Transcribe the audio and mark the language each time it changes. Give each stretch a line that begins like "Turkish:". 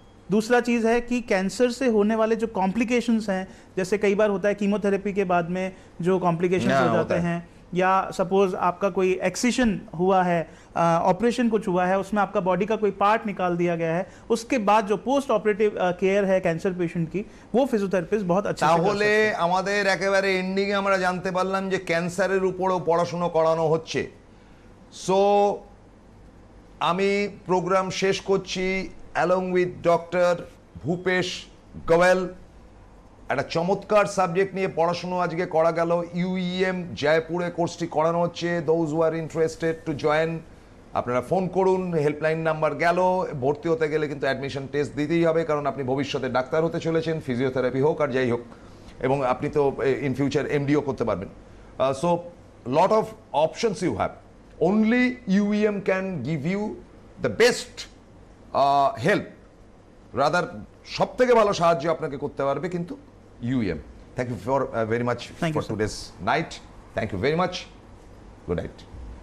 Hindi: दूसरा चीज़ है कि कैंसर से होने वाले जो कॉम्प्लिकेशंस हैं, जैसे कई बार होता है कीमोथेरेपी के बाद में जो कॉम्प्लिकेशंस हो जाते हैं, या सपोज आपका कोई एक्सीशन हुआ है, ऑपरेशन कुछ हुआ है, उसमें आपका बॉडी का कोई पार्ट निकाल दिया गया है, उसके बाद जो पोस्ट ऑपरेटिव केयर है कैंसर पेशेंट की, वो फिजियोथेरेपिस्ट बहुत अच्छा है.
Bangla: তাহলে আমাদের একেবারে এন্ডিং এ আমরা জানতে পারলাম যে ক্যান্সারের উপরও পড়াশোনা করানো হচ্ছে. সো আমি প্রোগ্রাম শেষ করছি along with doctor Bhupesh Goyal. একটা চমৎকার সাবজেক্ট নিয়ে পড়াশুনো আজকে করা গেল. ইউইএম জয়পুরে কোর্সটি করানো হচ্ছে.
English: those who are interested to join,
Bangla: আপনারা ফোন করুন. হেল্পলাইন নাম্বার গেল. ভর্তি হতে গেলে কিন্তু অ্যাডমিশন টেস্ট দিতেই হবে, কারণ আপনি ভবিষ্যতে ডাক্তার হতে চলেছেন, ফিজিওথেরাপি হোক আর যাই হোক, এবং আপনি তো ইন ফিউচার এমডিও করতে পারবেন.
English: So lot of options you have. Only UEM can give you the best help, rather
Bangla: সব থেকে ভালো সাহায্য আপনাকে করতে পারবে কিন্তু UEM.
English: Thank you for very much Thank for you, today's night. Thank you very much. Good night.